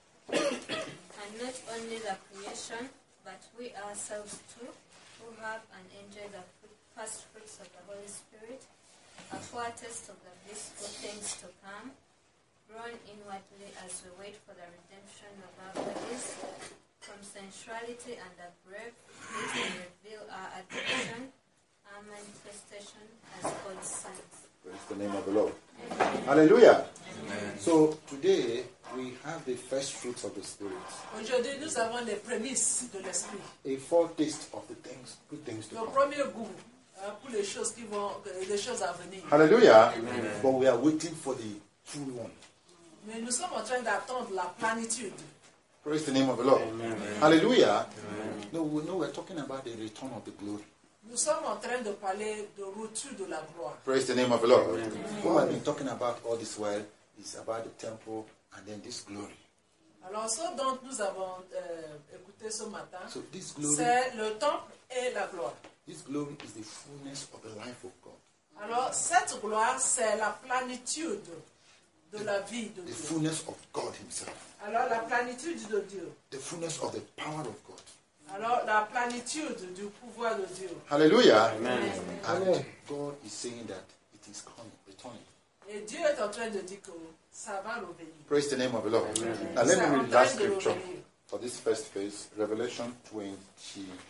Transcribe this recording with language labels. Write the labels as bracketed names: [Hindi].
[English] And not only the creation, but we ourselves too, who have and enjoy the first fruits of the Holy Spirit, a foretaste of the blissful things to come, grown inwardly as we wait for the redemption of our bodies, from sensuality and the grave, which will reveal our addiction, our manifestation as God's sons. Praise the name of the Lord. Hallelujah. Amen. So today we have the first fruits of the Spirit. [French] Aujourd'hui nous avons les prémices de l'esprit. [English] A foretaste of the things, good things to come. [French] Le premier goût pour les choses qui vont, les choses à venir. Hallelujah. Amen. [English] But we are waiting for the true one. [French] Mais nous sommes en train d'attendre la plénitude. [English] Praise the name of the Lord. Amen. Hallelujah. Amen. No, we're talking about the return of the glory. [French] Nous sommes en train de parler de retour de la gloire. [English] Praise the name of the Lord. Amen. What I've been talking about all this while is about the temple and then this glory. [French] Alors ce dont nous avons écouté ce matin, [English] so this glory, [French] c'est le temple et la gloire. [English] This glory is the fullness of the life of God. [French] Alors, cette gloire, c'est la plénitude de la vie de [English] the [French] Dieu. [English] The fullness of God himself. [French] Alors, la plénitude de Dieu. [English] The fullness of the power of God. [French] Alors, la plénitude du pouvoir de Dieu. Hallelujah. Amen. And Amen. [English] God is saying that it is coming, returning. [French] Et Dieu est en train de dire que ça va revenir. [English] Praise the name of the Lord. Amen. And let me read that scripture for this first phase, Revelation 22.